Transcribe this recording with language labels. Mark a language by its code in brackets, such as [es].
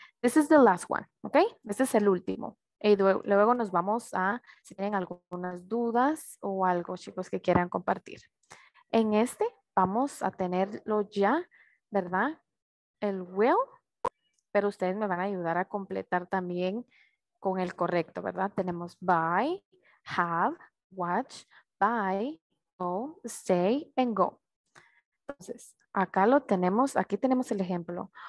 [en] This is the last one, [es] ¿ok? Este es el último. Y luego nos vamos a, si tienen algunas dudas o algo, chicos, que quieran compartir. En este, vamos a tenerlo ya, ¿verdad? El will, pero ustedes me van a ayudar a completar también con el correcto, ¿verdad? Tenemos [en] buy, have, watch, buy, go, stay, and go. [es] Entonces, acá lo tenemos, aquí tenemos el ejemplo.